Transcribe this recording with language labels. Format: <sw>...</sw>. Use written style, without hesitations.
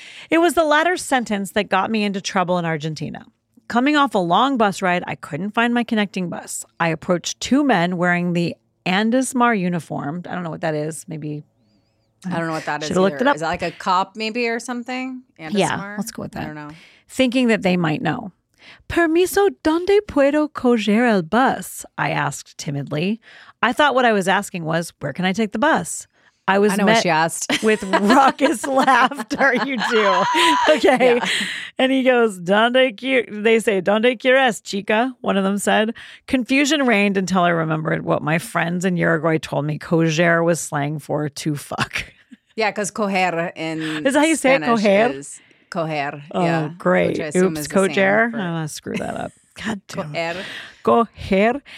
<en>It was the latter sentence that got me into trouble in Argentina. Coming off a long bus ride, I couldn't find my connecting bus. I approached two men wearing the Andesmar uniform. I don't know what that is. Maybe. I don't know what that is. Should have looked it up. Is that like a cop maybe or something? Andesmar? Yeah, let's go with that. I don't know. Thinking that they might know.</en> <es>Permiso, ¿dónde puedo coger el bus?</es> <en>I asked timidly. I thought what I was asking was, where can I take the bus? I was met with raucous laughter. You do. Okay. Yeah. And he goes,</en> <es>¿Dónde quieres, chica?</es> <en>One of them said. Confusion reigned until I remembered what my friends in Uruguay told me coger was slang for to fuck. Yeah, because coger in Spanish. Is that how you say it? Coger? Coger. Oh, yeah. Great. Oops, coger. Screw that up. God damn. Coger.</en>